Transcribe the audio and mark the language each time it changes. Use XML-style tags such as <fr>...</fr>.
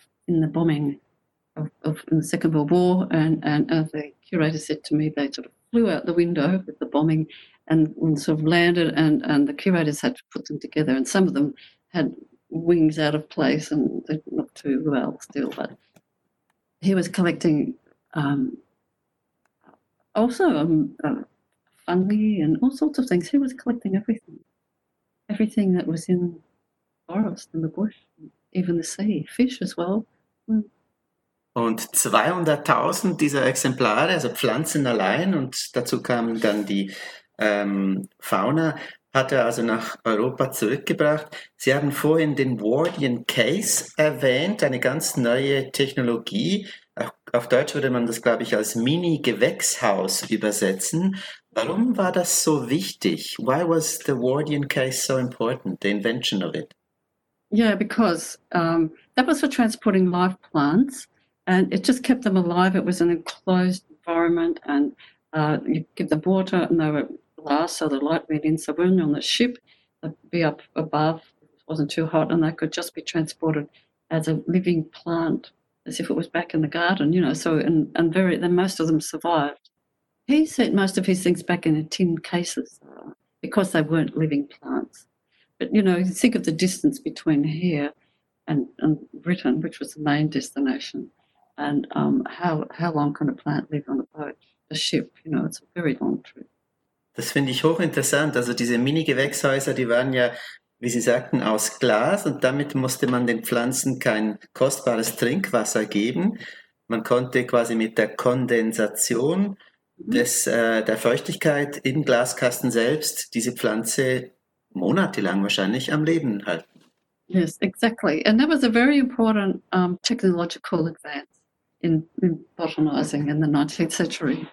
<en>in the bombing in the Second World War, and as the curator said to me, they sort of flew out the window with the bombing and sort of landed, and the curators had to put them together, and some of them had wings out of place and not too well still, but he was collecting fungi and all sorts of things. He was collecting everything that was in forest and the bush, even the sea, fish as well.</en> <de>Und 200.000 dieser Exemplare, also Pflanzen allein, und dazu kamen dann die Fauna, hat er also nach Europa zurückgebracht. Sie haben vorhin den Wardian Case erwähnt, eine ganz neue Technologie. Auf Deutsch würde man das, glaube ich, als Mini-Gewächshaus übersetzen. Warum war das so wichtig?</de> <en>Why was the Wardian Case so important, the invention of it? Yeah, because that was for transporting live plants, and it just kept them alive. It was an enclosed environment, and you give them water, and they were glass, so the light went in. So when on the ship, they'd be up above, it wasn't too hot, and they could just be transported as a living plant, as if it was back in the garden, you know. So and most of them survived. He sent most of his things back in the tin cases because they weren't living plants. But, you know, think of the distance between here and Britain, which was the main destination, and how long can a plant live on a boat, a ship? You know, it's a very long trip.</en> <de>Das finde ich hochinteressant. Also diese Mini-Gewächshäuser, die waren ja, wie Sie sagten, aus Glas, und damit musste man den Pflanzen kein kostbares Trinkwasser geben. Man konnte quasi mit der Kondensation der Feuchtigkeit im Glaskasten selbst diese Pflanze monatelang wahrscheinlich am Leben halten.</de> <en>Yes, exactly. And that was a very important technological advance in botanizing in the 19th century.</en>